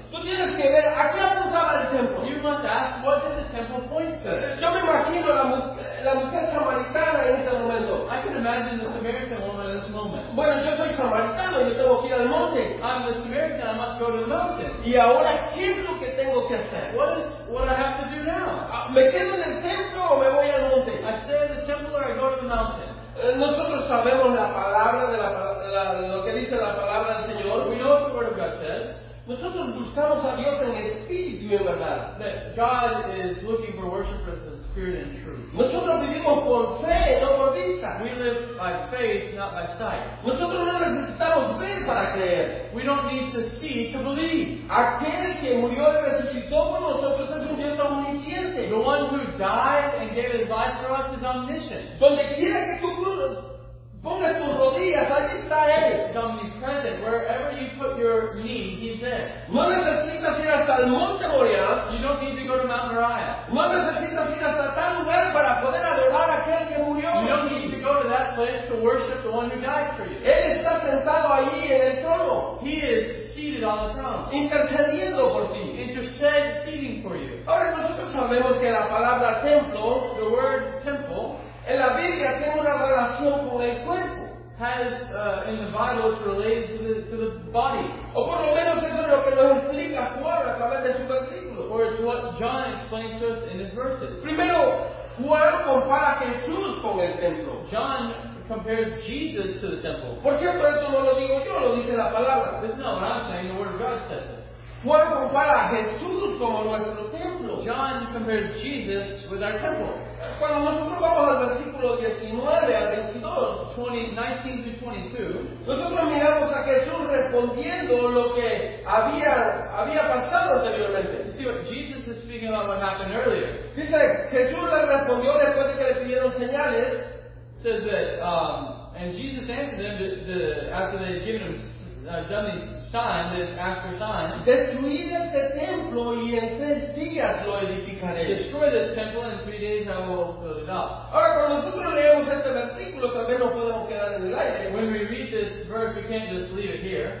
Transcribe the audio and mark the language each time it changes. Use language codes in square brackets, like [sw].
[es] Tú tienes que ver a qué apuntaba el templo. [en] You must ask, what did the temple point to? [es] Yo me imagino la mujer samaritana en ese momento. [en] I can imagine the Samaritan woman in this moment. [es] Bueno, yo soy samaritano y yo tengo que ir al monte. [en] I'm the Samaritan, I must go to the mountain. [es] Y ahora, ¿qué es lo que tengo que hacer? [en] What I have to do now? [es] ¿Me quedo en el templo o me voy al monte? [en] I stay in the temple or I go to the mountain. [es] Nosotros sabemos la palabra de lo que dice la palabra del Señor. [en] We know what the word of God says. [es] Nosotros buscamos a Dios en espíritu y en verdad. [en] That God is looking for worshipers in spirit and truth. [es] Nosotros vivimos por fe, no por vista. [en] We live by faith, not by sight. [es] Nosotros no necesitamos ver para creer. [en] We don't need to see to believe. [es] Aquel que murió y resucitó por nosotros es un Dios omnisciente. [en] The one who died and gave his life for us is omniscient. [es] Donde quiera que tú cruces. Ponga tus rodillas, allí está él. [en] He's omnipresent. Wherever you put your knee, he's there. [es] No necesitas ir hasta el Monte Moriah. [en] You don't need to go to Mount Moriah. [es] No necesitas ir hasta tal lugar para poder adorar a aquel que murió. [en] You don't need to go to that place to worship the one who died for you. [es] Él está sentado allí en el trono. [en] He is seated on the throne. [es] Intercediendo por ti. [en] Interceding for you. [es] Ahora nosotros sabemos que la palabra templo, [en] the word temple, [es] en la Biblia tiene una relación con el cuerpo. [en] Has in the Bible is related to the body. [es] O por lo menos es lo que nos explica Juan a través de su versículo. [en] Or it's what John explains to us in his verses. [es] Primero, Juan compara a Jesús con el templo. [en] John compares Jesus to the temple. [es] Por cierto, esto no lo digo yo, lo dice la palabra. [en] This is not what I'm saying, the word of God says it. [es] Juan compara a Jesús como nuestro templo. [en] John compares Jesus with our temple. [es] Cuando nosotros vamos al versículo 19 al 22, [en] 19-22, [es] nosotros miramos a Jesús respondiendo lo que había pasado anteriormente. [en] You see what Jesus is speaking about, what happened earlier. [es] Dice, Jesús le respondió después de que le pidieron señales. [en] Says that, and Jesus answered them after they had given him done these signs, then ask for signs. [es] Destruir este templo y en tres días lo edificaré. [en] Destroy this temple and in 3 days I will build it up. [es] Ahora, cuando nosotros leemos este versículo, también no podemos quedar en el aire. [en] When we read this verse, we can't just leave it here.